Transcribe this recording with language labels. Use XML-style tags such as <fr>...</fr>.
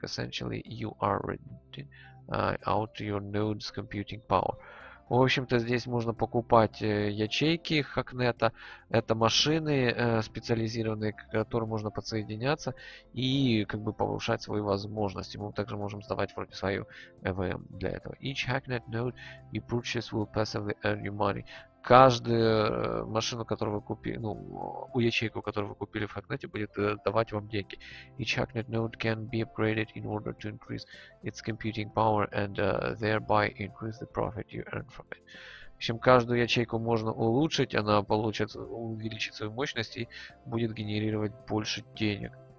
<en>Essentially, you are renting out your node's computing power.</en> <ru>В общем-то, здесь можно покупать ячейки Хакнета. Это машины специализированные, к которым можно подсоединяться и как бы повышать свои возможности. Мы также можем сдавать вроде свою EVM для этого.</ru> <en>Each Hacknet node you purchase will passively earn you money.</en> <ru>Каждую машину, которую вы купили, ну, у ячейку, которую вы купили в Хакнете, будет давать вам деньги.</ru> <en>Each Hacknet node can be upgraded in order to increase its computing power and thereby increase the profit you earn from it.</en> <ru>В общем, каждую ячейку можно улучшить, она получит, увеличит свою мощность и будет генерировать больше денег.</ru>